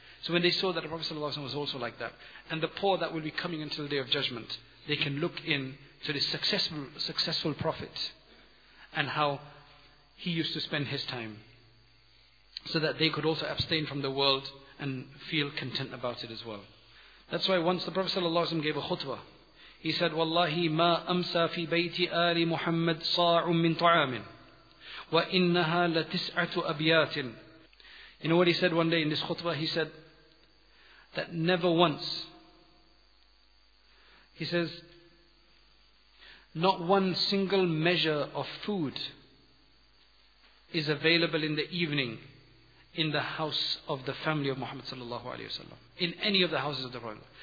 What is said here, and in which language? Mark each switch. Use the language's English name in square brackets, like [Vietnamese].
[English] So when they saw that the Prophet ﷺ was also like that, and the poor that will be coming until the Day of Judgment, they can look in to this successful Prophet and how he used to spend his time, so that they could also abstain from the world and feel content about it as well. That's why once the Prophet ﷺ gave a khutbah. He said, [Arabic] وَاللَّهِ مَا أَمْسَى فِي بَيْتِ آلِ مُحَمَّدْ صَاعٌ مِّن طَعَامٍ وَإِنَّهَا لَتِسْعَةُ أَبْيَاتٍ. [English] You know what he said one day in this khutbah? He said that never once, he says, not one single measure of food is available in the evening in the house of the family of Muhammad sallallahu alayhi wa sallam, in any of the houses of the Prophet.